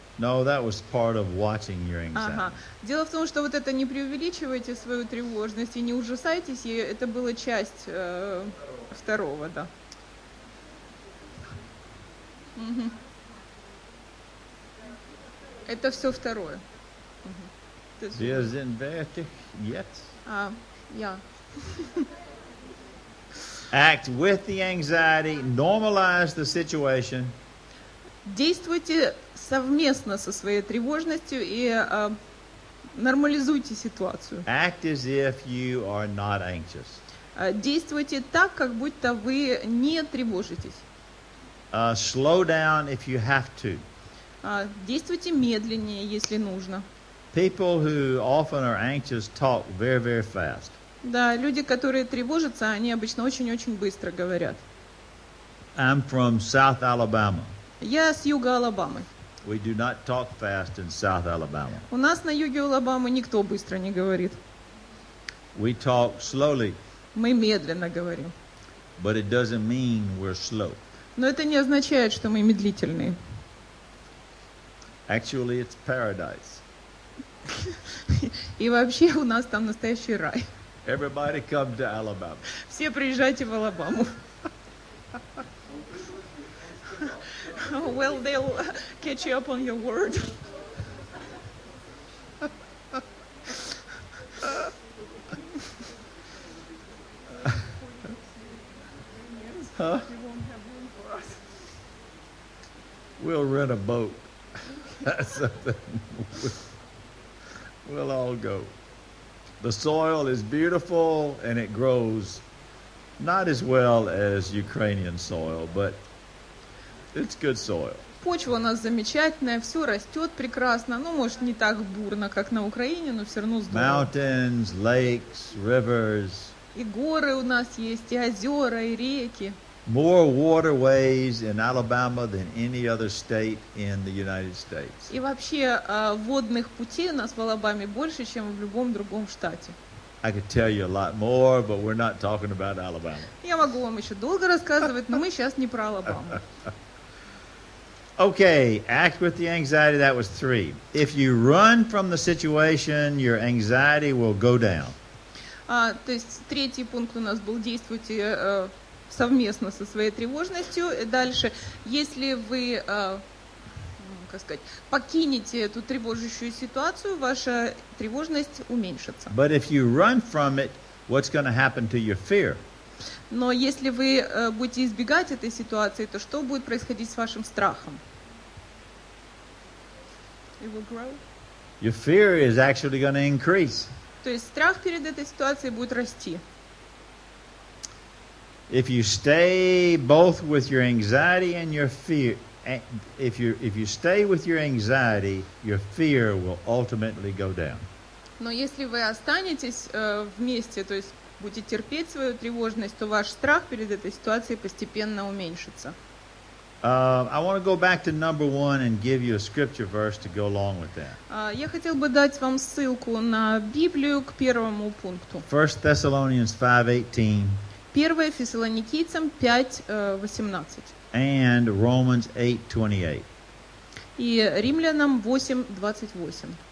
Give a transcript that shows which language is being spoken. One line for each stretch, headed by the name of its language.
English: No, that was part of watching your anxiety.
Russian: Ага. Дело в том, что вот это не преувеличивайте свою тревожность и не ужасайтесь ее. Это было часть второго, да. Это все второе.
German: Wir sind fertig jetzt. Ja.
English: Act with the anxiety, normalize the situation.
Russian: Действуйте совместно со своей тревожностью и нормализуйте ситуацию.
English: Act as if you are not anxious.
Russian: Действуйте так, как будто вы не тревожитесь.
English: Slow down if you have to.
Russian: Действуйте медленнее, если нужно.
English: People who often are anxious talk very, very fast.
Russian: Да, люди, которые тревожатся, они обычно очень-очень быстро говорят.
English: I'm from South Alabama.
Russian: Я с юга Алабамы.
English: We do not talk fast in South Alabama.
Russian: У нас на юге Алабамы никто быстро не говорит.
English: We talk slowly.
Russian: Мы медленно говорим.
English: But it doesn't mean we're slow.
Russian: Но это не означает, что мы медлительные.
English: Actually, it's paradise.
Russian: И вообще у нас там настоящий рай.
English: Everybody come to Alabama.
Russian: Все приезжайте в Алабаму.
English: Well, they'll catch you up on your word. We'll rent a boat. That's something. We'll all go. The soil is beautiful and it grows not as well as Ukrainian soil, but it's good soil.
Russian: Почва у нас замечательная, все растет прекрасно, ну, может, не так бурно, как на Украине, но все равно здорово.
English: Mountains, lakes, rivers.
Russian: И горы у нас есть, и озера, и реки.
English: More waterways in Alabama than any other state in the United States.
Russian: И вообще водных путей у нас в Алабаме больше, чем в любом другом штате.
English: I could tell you a lot more, but we're not talking about Alabama.
Russian: Я могу вам еще долго рассказывать, но мы сейчас не про Алабаму.
English: Okay, act with the anxiety. That was three. If you run from the situation, your anxiety will go down.
Russian: То есть третий пункт у нас был действуйте. Совместно со своей тревожностью. Дальше, если вы, как сказать, покинете эту тревожащую ситуацию, ваша тревожность уменьшится.
English: But if you run from it, what's going to happen to your fear?
Russian: Но если вы будете избегать этой ситуации, то что будет происходить с вашим страхом?
English: It will grow. Your fear is actually going to increase.
Russian: То есть страх перед этой ситуацией будет расти.
English: If you stay both with your anxiety and your fear, if you stay with your anxiety, your fear will ultimately go down.
Russian: Но если вы останетесь вместе, то есть будете терпеть свою тревожность, то ваш страх перед этой ситуацией постепенно уменьшится.
English: I want to go back to number one and give you a scripture verse to go along with that.
Russian: Я хотел бы дать вам ссылку на Библию к первому пункту.
English: 1 Thessalonians 5:18.
Russian: 1 Фессалоникийцам 5:18.
English: And Romans 8:28.
Russian: И Римлянам 8:28.